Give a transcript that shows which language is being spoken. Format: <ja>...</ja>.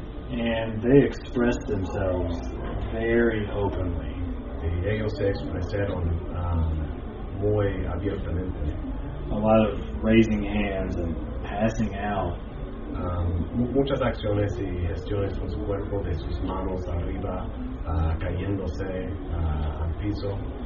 <en>And they expressed themselves very openly.</en> <es>Y ellos se expresaron muy abiertamente.</es> <en>A lot of raising hands and passing out.</en> <es>Muchas acciones y gestiones con su cuerpo de sus manos arriba, cayéndose al piso.</es>